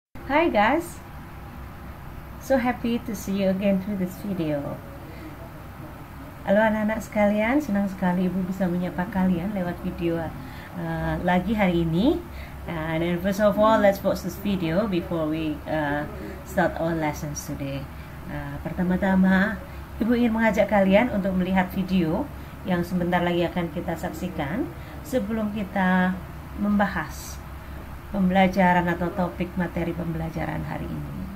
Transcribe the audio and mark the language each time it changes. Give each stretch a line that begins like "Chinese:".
English: Hi guys, so happy to see you again through this video.
Indonesian: Halo anak-anak sekalian, senang sekali ibu bisa menyapa kalian lewat video lagi hari ini.
English: And first of all, let's watch this video before we start our lessons today.
Indonesian: Pertama-tama, ibu ingin mengajak kalian untuk melihat video yang sebentar lagi akan kita saksikan sebelum kita membahas pembelajaran atau topik materi pembelajaran hari ini.